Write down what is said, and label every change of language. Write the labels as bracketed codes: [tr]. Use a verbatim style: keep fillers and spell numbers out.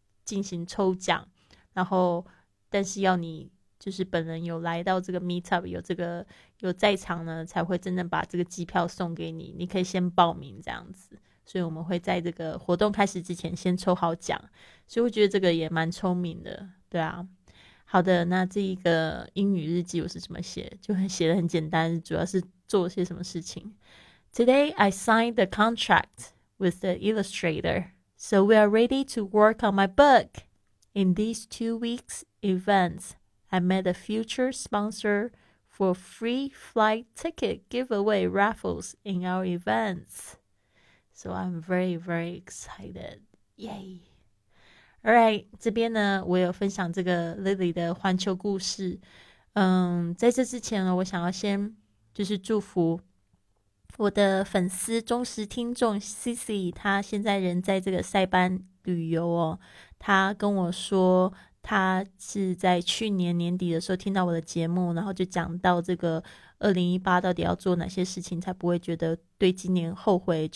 [zh] 进行抽奖，然后但是要你就是本人有来到这个 meetup 有这个有在场呢才会真正把这个机票送给你，你可以先报名这样子，所以我们会在这个活动开始之前先抽好奖，所以我觉得这个也蛮聪明的，对啊。好的，那这一个英语日记我是怎么写，就写得很简单，主要是做些什么事情。 [en] Today I signed the contract with the illustrator, so we are ready to work on my book. In these two weeks events, I met a future sponsor for free flight ticket giveaway raffles in our events.So I'm very, very excited. Yay! [zh] Alright， 这边呢，我有分享这个 Lily 的环球故事。嗯，在这之前呢，我想要先就是祝福我的粉丝忠实听众 Cici， 她现在人在这个塞班旅游哦。她跟我说，她是在去年年底的时候听到我的节目，然后就讲到这个二零一八到底要做哪些事情才不会觉得对今年后悔。